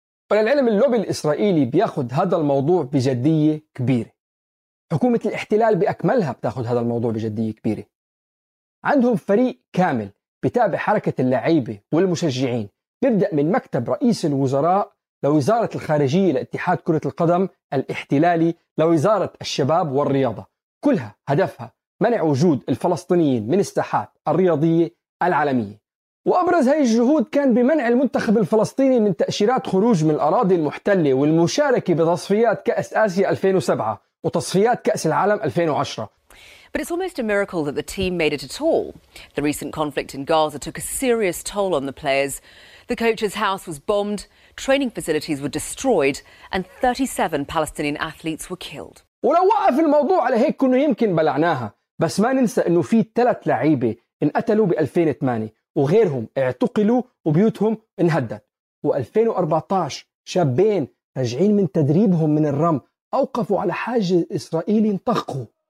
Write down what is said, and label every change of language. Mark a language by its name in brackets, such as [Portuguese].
[Arabic] وللعلم اللوبي الإسرائيلي بياخد هذا الموضوع بجدية كبيرة، حكومة الاحتلال بأكملها بتاخد هذا الموضوع بجدية كبيرة، عندهم فريق كامل بتابع حركة اللعيبة والمشجعين، بيبدأ من مكتب رئيس الوزراء لوزارة الخارجية لاتحاد كرة القدم الاحتلالي لوزارة الشباب والرياضة، كلها هدفها منع وجود الفلسطينيين من الساحات الرياضية العالمية. وأبرز هاي الجهود كان بمنع المنتخب الفلسطيني من تأشيرات خروج من الأراضي المحتلة والمشاركة بتصفيات كأس آسيا 2007 وتصفيات كأس العالم 2010. [English] But it's almost a miracle that the team made it at all. The recent conflict in Gaza took a serious toll on the players. The coach's house was bombed, training facilities were destroyed, and 37 Palestinian athletes were killed. [Arabic] ولو وقف الموضوع على هيك كنا يمكن بلعناها، بس ما ننسى إنه في ثلاث لعيبة انقتلوا ب 2008 وغيرهم اعتقلوا وبيوتهم انهدت. و 2014 شابين راجعين من تدريبهم من الرم أوقفوا على حاجز إسرائيلي انطخوا.